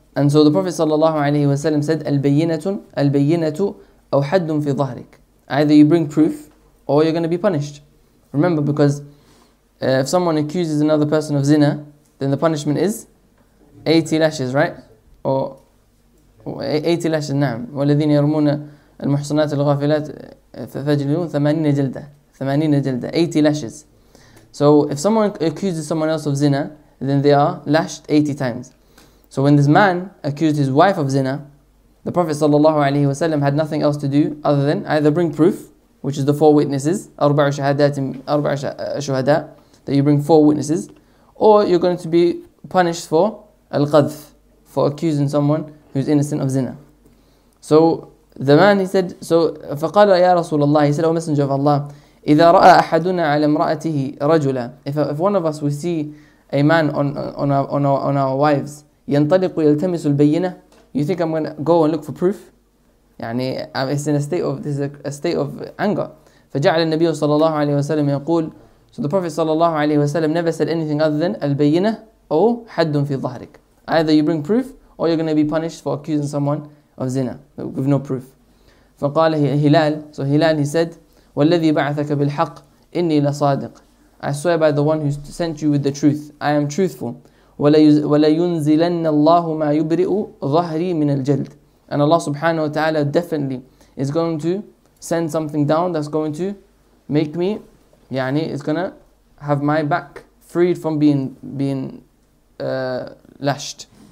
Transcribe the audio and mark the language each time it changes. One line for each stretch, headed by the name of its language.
English: And so the Prophet
Arabic: صلى الله عليه وسلم said, البينة أو حد في ظهرك.
English: Either you bring proof or you're going to be punished. Remember, because if someone accuses another person of zina, then the punishment is 80 lashes, right? Or 80 lashes.
Arabic: نعم. والذين يرمون المحصنات الغافلات فجلدون 80 جلدة. 80 جلدة.
English: 80 lashes. So if someone accuses someone else of zina, then they are lashed 80 times. So when this man accused his wife of zina, the Prophet صلى الله عليه وسلم had nothing else to do other than either bring proof, which is the four witnesses,
Arabic: أربع شهادات, أربع شهداء,
English: that you bring four witnesses, or you're going to be punished for القذف, for accusing someone who's innocent of zina. So the man, he said, so
Arabic: فقال يا رسول الله,
English: he said, O Messenger of Allah,
Arabic: إذا رأى أحدنا على امرأته رجلا,
English: if one of us we see a man on our wives,
Arabic: ينطلق يلتمس البينة,
English: you think I'm gonna go and look for proof? يعني it's in a state of, this is a state of anger.
Arabic: فجعل النبي صلى الله عليه وسلم يقول,
English: so the Prophet صلى الله عليه وسلم never said anything other than
Arabic: البينة أو حد في ظهرك.
English: Either you bring proof, or you're going to be punished for accusing someone of zina with no proof.
Arabic: فقال هلال,
English: so هلال, he said,
Arabic: والذي بعثك بالحق إني لصادق,
English: I swear by the one who sent you with the truth, I am truthful.
Arabic: ولا ينزلن الله ما يبرئ ظهري من الجلد,
English: and Allah subhanahu wa ta'ala definitely is going to send something down that's going to make me, يعني it's going to have my back freed from being lashed.